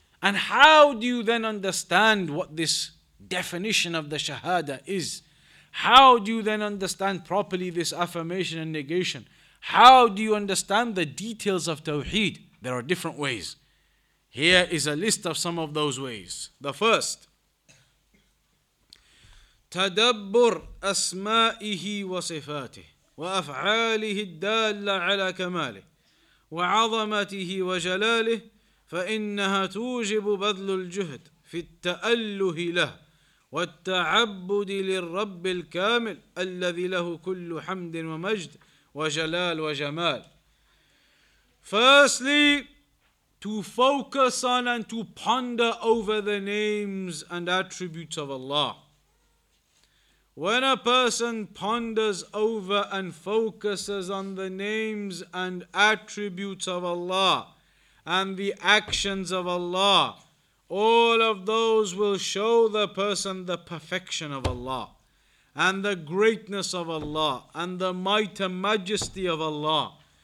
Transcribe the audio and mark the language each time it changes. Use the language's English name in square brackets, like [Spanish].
[English] And how do you then understand what this definition of the Shahada is? How do you then understand properly this affirmation and negation? How do you understand the details of Tawheed? There are different ways. Here is a list of some of those ways. The first, [Arabic] تدبر أسمائه وصفاته وأفعاله الدالة على كماله وعظمته وجلاله فإنها توجب بذل الجهد في التأله له والتعبد للرب الكامل الذي له كل حمد ومجد وجلال وجمال. [English] Firstly, to focus on and to ponder over the names and attributes of Allah. When a person ponders over and focuses on the names and attributes of Allah and the actions of Allah, all of those will show the person the perfection of Allah and the greatness of Allah and the might and majesty of Allah.